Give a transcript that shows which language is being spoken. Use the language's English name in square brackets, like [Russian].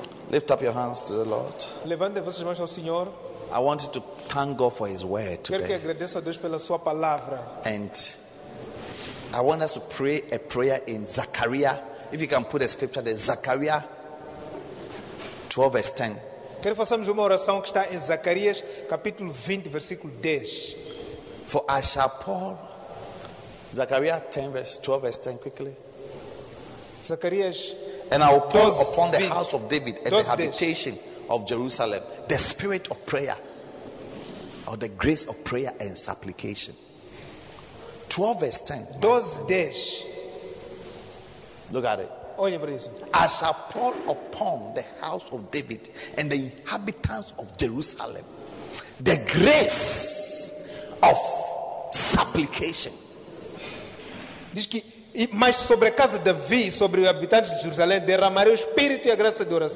[English] Lift up your hands to the Lord. [Portuguese] Levante vossas mãos ao Senhor. [English] I wanted to thank God for His word today. [Portuguese] Quero que agradeça a Deus pela sua palavra. [English] And I want us to pray a prayer in Zechariah. If you can put a scripture there, Zechariah 12 verse 10. [Portuguese] Quero que façamos uma oração que está em Zacarias, capítulo 20, versículo 10. [English] For I shall pour. Zechariah 10 verse 12 verse 10 quickly. [Portuguese] Zacarias. [English] And I will pour upon the house of David and the habitation of Jerusalem the spirit of prayer or the grace of prayer and supplication. 12 verse 10. Those days. Look at it. [Portuguese] Olhe para isso. [English] I shall pour upon the house of David and the inhabitants of Jerusalem the grace of supplication. [Portuguese] Diz que mas sobre a casa de Davi, sobre os habitantes de Jerusalém, derramarei o espírito e a graça de oração.